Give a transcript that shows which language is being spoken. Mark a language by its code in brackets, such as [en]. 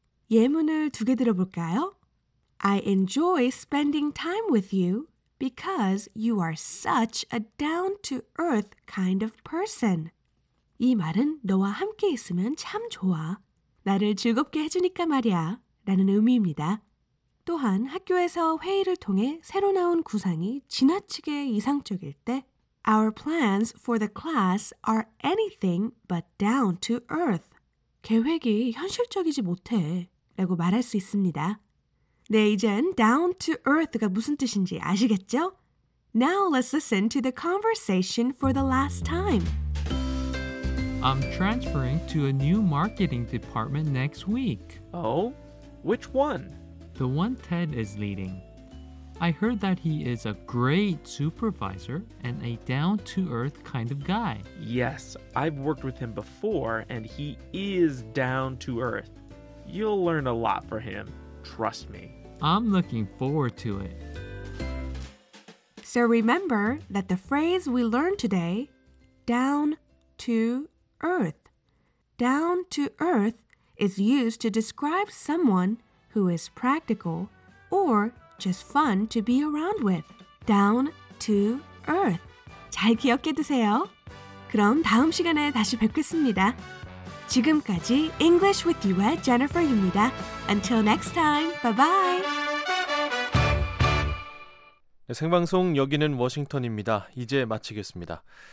[ko] 예문을 두 개 들어볼까요? [en] I enjoy spending time with you because you are such a down-to-earth kind of person. [ko] 이 말은 너와 함께 있으면 참 좋아. 나를 즐겁게 해주니까 말이야 라는 의미입니다. 또한 학교에서 회의를 통해 새로 나온 구상이 지나치게 이상적일 때 [en] Our plans for the class are anything but down to earth. [ko] 계획이 현실적이지 못해 라고 말할 수 있습니다. 네, 이젠 down to earth가 무슨 뜻인지 아시겠죠? [en] Now let's listen to the conversation for the last time. I'm transferring to a new marketing department next week. Oh? Which one? The one Ted is leading. I heard that he is a great supervisor and a down-to-earth kind of guy. Yes, I've worked with him before and he is down-to-earth. You'll learn a lot from him, trust me. I'm looking forward to it. So remember that the phrase we learned today, down-to-earth. Down-to-earth is used to describe someone who is practical or just fun to be around with. [ko] Down to earth. 잘 기억해 두세요. 그럼 다음 시간에 다시 뵙겠습니다. 지금까지 English with You의 Jennifer입니다. [en] Until next time, bye-bye. [ko] 네, 생방송 여기는 워싱턴입니다. 이제 마치겠습니다.